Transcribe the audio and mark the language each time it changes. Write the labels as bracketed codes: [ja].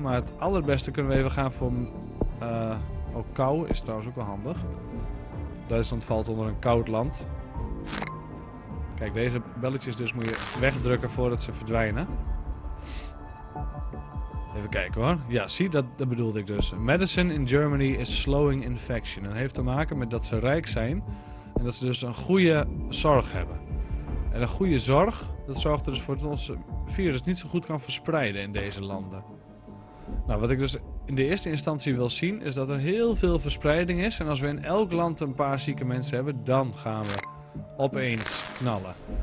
[nl] Maar het allerbeste kunnen we even gaan voor... ook kou is trouwens ook wel handig. Duitsland valt onder een koud land. Kijk, deze belletjes dus moet je wegdrukken voordat ze verdwijnen. Even kijken hoor. Ja, zie, dat bedoelde ik dus. [en] Medicine in Germany is slowing infection. [nl] En dat heeft te maken met dat ze rijk zijn en dat ze dus een goede zorg hebben. En een goede zorg, dat zorgt er dus voor dat ons virus niet zo goed kan verspreiden in deze landen. Nou, wat ik dus in de eerste instantie wil zien, is dat er heel veel verspreiding is. En als we in elk land een paar zieke mensen hebben, dan gaan we opeens knallen.